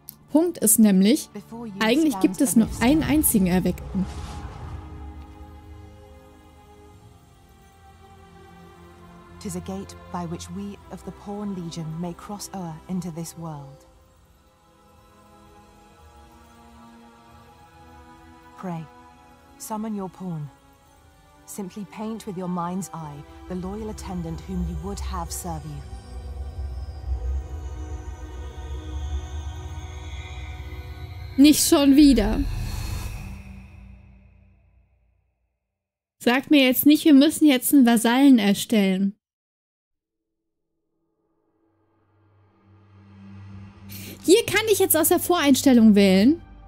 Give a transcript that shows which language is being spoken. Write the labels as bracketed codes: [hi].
[de] Punkt ist nämlich, eigentlich gibt es nur einen einzigen Erweckten. [en] Tis a gate by which we of the Pawn Legion may cross o'er into this world. Pray, summon your pawn. Simply paint with your mind's eye the loyal attendant whom you would have serve you. [de] Nicht schon wieder. Sag mir jetzt nicht, wir müssen jetzt einen Vasallen erstellen. Hier kann ich jetzt aus der Voreinstellung wählen.